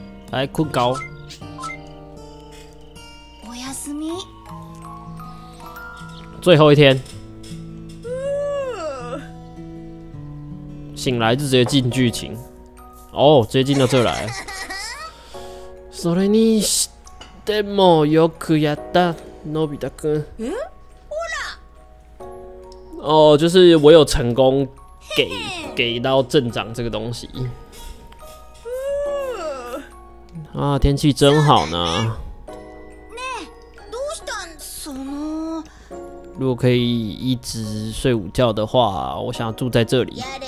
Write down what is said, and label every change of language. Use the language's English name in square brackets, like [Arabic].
[Chinese] 来困高。 [Japanese] おやすみ。 [Chinese] 最后一天。醒来就直接进剧情，哦，直接进到这来。 [Japanese] それにしてもよくやった、のび太くん。 [Chinese] 哦，就是我有成功给到镇长这个东西。啊，天气真好呢。 [Japanese] ね、どうしたん？その。 [Chinese] 如果可以一直睡午觉的话，我想要住在这里。